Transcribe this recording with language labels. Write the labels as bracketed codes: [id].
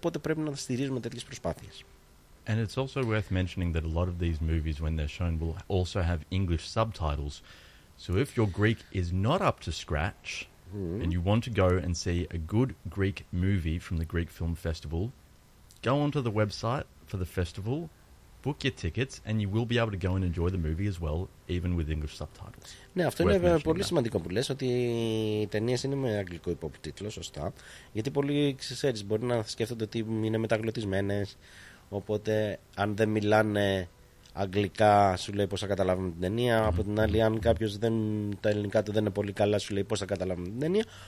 [el] Οπότε πρέπει να στηρίζουμε τέτοιες προσπάθειες. [en] And it's also worth mentioning that a lot of these movies, when they're shown, will also have English subtitles. So if your Greek is not up to scratch and you want to go and see a good Greek movie from the Greek Film Festival, go onto the website for the festival, book your tickets and you will be able to go and enjoy the movie as well, even with English subtitles. [el] Ναι, αυτό είναι πολύ σημαντικό που λες, ότι οι ταινίες είναι με αγγλικό υποτίτλο, σωστά. Γιατί πολλοί, ξέρεις, μπορεί να σκέφτονται ότι είναι μεταγλωτισμένες, οπότε αν δεν μιλάνε αγγλικά σου λέει πώς θα καταλάβουμε την ταινία. Από την άλλη, αν κάποιος δεν, τα ελληνικά του δεν είναι πολύ καλά, σου λέει πώς θα καταλάβουμε την ταινία.